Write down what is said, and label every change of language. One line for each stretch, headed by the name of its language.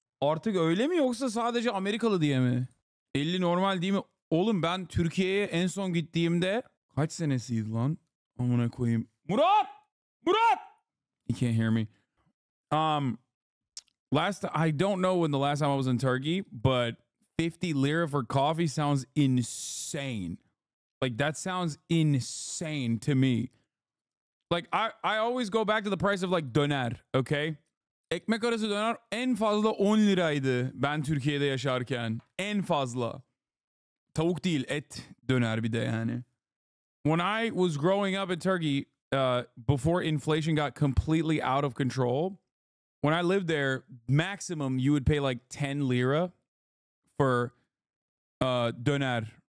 Turkish: Artık öyle mi yoksa sadece Amerikalı diye mi? 50 normal değil mi? Oğlum ben Türkiye'ye en son gittiğimde kaç senesiydi lan? Amına koyayım.
English: Murat! You can't hear me. I don't know when the last time I was in Turkey, but 50 lira for coffee sounds insane. Like, that sounds insane to me. Like, I always go back to the price of, like, döner, okay?
Turkish: Ekmek arası döner en fazla 10 liraydı ben Türkiye'de yaşarken. En fazla. Tavuk değil, et döner bir de yani.
English: When I was growing up in Turkey, before inflation got completely out of control, when I lived there, maximum you would pay, like, 10 lira for döner.